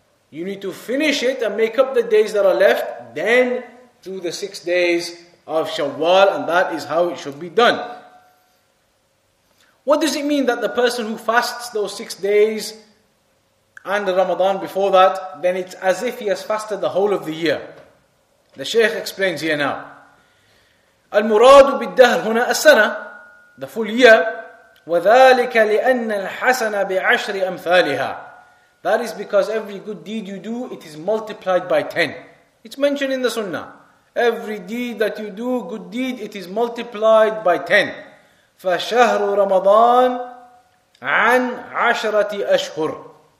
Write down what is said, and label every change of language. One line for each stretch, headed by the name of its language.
English: You need to finish it and make up the days that are left, then do the 6 days of Shawwal, and that is how it should be done. What does it mean that the person who fasts those 6 days and Ramadan before that, then it's as if he has fasted the whole of the year? The Shaykh explains here now.
Arabic: المراد بالدهر هنا السنة,
English: the full year.
Arabic: وذلك لأن الحسنة بعشر أمثالها.
English: That is because every good deed you do, it is multiplied by 10. It's mentioned in the Sunnah. Every deed that you do, good deed, it is multiplied by 10.
Arabic: فشهر رمضان عن عشرة أشهر.